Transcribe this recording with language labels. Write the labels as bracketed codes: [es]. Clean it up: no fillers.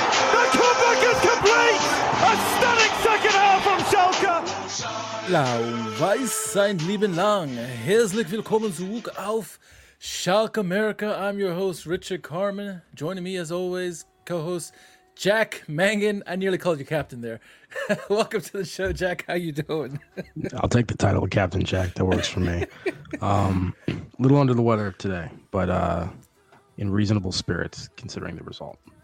[en] The comeback is complete! A stunning second half from Schalke! [de] Blau, weiß sein Leben lang. Herzlich willkommen zurück auf Schalke America. [en] I'm your host, Richard Carmen. Joining me as always, co-host Jack Mangan. I nearly called you captain there. Welcome to the show, Jack. How you doing? I'll take the title of Captain Jack. That works for me. A little under the weather today, but in reasonable spirits considering the result.